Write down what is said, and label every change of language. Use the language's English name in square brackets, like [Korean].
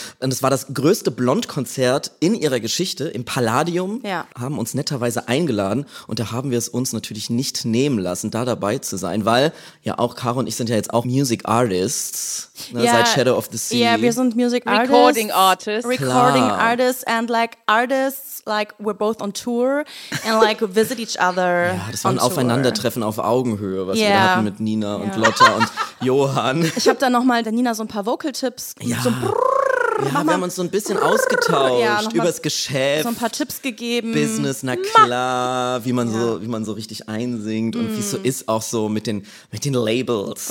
[German] Und es war das größte Blond-Konzert in ihrer Geschichte im Palladium. Ja. Haben uns netterweise eingeladen und da haben wir es uns natürlich nicht nehmen lassen, da dabei zu sein, weil ja auch Caro und ich sind ja jetzt auch Music Artists, ne, ja, seit Shadow of the Sea. Ja, wir sind Music Artists. Recording Artists. [English] Recording Artists and like Artists, like we're both on tour and like visit each other. [German] Ja, das war ein Aufeinandertreffen. Treffen auf Augenhöhe, was wir da hatten mit Nina und Lotta und Johann. Ich habe da nochmal der Nina so ein paar Vocal-Tipps. Ja, wir haben uns so ein bisschen ausgetauscht übers Geschäft. So ein paar Tipps gegeben. Business, na klar, wie man so richtig einsingt und wie es so ist auch so mit den Labels.